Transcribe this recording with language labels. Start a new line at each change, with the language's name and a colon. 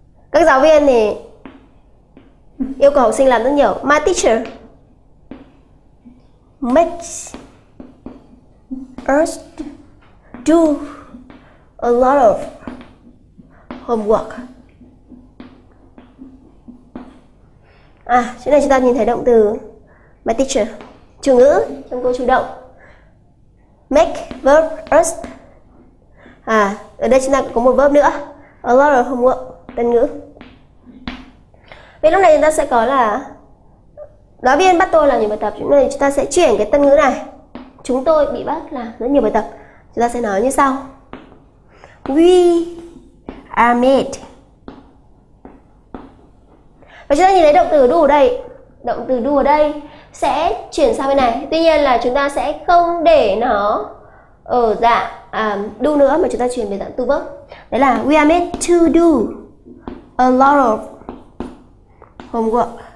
Vietnamese: Các giáo viên thì yêu cầu học sinh làm rất nhiều.
English: My teacher makes us do a lot of homework.
Vietnamese: Chỗ này chúng ta nhìn thấy động từ my teacher, chủ ngữ trong câu chủ động.
English: Make verb us.
Vietnamese: Ở đây chúng ta có một verb nữa,
English: a lot of homework,
Vietnamese: tân ngữ. Vậy lúc này chúng ta sẽ có là giáo viên bắt tôi làm nhiều bài tập. Chúng ta sẽ chuyển cái tân ngữ này, chúng tôi bị bắt làm rất nhiều bài tập. Chúng ta sẽ nói như sau:
English: We are made.
Vietnamese: Và chúng ta nhìn thấy động từ do ở đây, động từ do ở đây sẽ chuyển sang bên này. Tuy nhiên là chúng ta sẽ không để nó ở dạng do nữa, mà chúng ta chuyển về dạng to verb. Đấy là
English: we are made to do a lot of homework.